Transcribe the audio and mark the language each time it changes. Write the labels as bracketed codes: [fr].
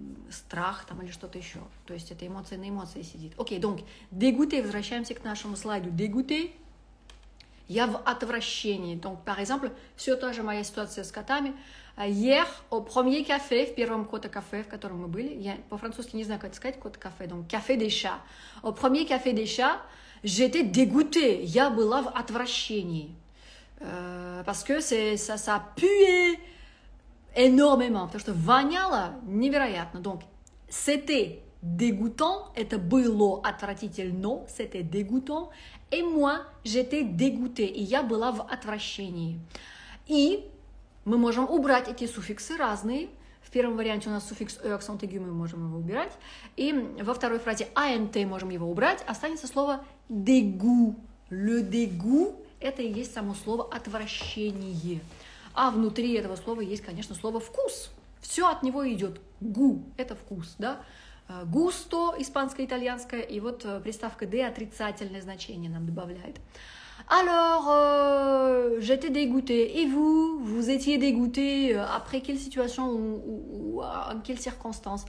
[ru] Страх там или что-то еще. То есть это эмоции на эмоции сидит. Окей, [fr] donc, dégoûté, [ru] возвращаемся к нашему слайду. Dégoûté, я в отвращении. [fr] Donc, par exemple, [ru] все та же моя ситуация с котами. [fr] Hier, au premier café, [ru] в первом кота-кафе, в котором мы были. Я по-французски не знаю, как это сказать, кота-кафе. [fr] Donc, café des chats. Au premier café des chats, j'étais dégoûté. [ru] Я была в отвращении. [fr] Parce que ça pue. Énormément, [ru] потому что воняло невероятно. [fr] Donc, c'était dégoûtant, [ru] это было отвратительно, [fr] c'était dégoûtant, et moi, j'étais dégoûté, [ru] и я была в отвращении. И мы можем убрать эти суффиксы разные. В первом варианте у нас суффикс «e» акцент aigu, мы можем его убирать. И во второй фразе «ant» можем его убрать, останется слово «dégoût». Le dégoût, Это и есть само слово «отвращение». А внутри этого слова есть, конечно, слово «вкус». Все от него идет. «Гу» — это вкус, да? «Густо» — испанско-итальянское. И вот приставка «д» — отрицательное значение нам добавляет. [fr] Alors, j'étais dégoûtée. Et vous, vous étiez dégoûtée après quelle situation ou en quelles circonstances?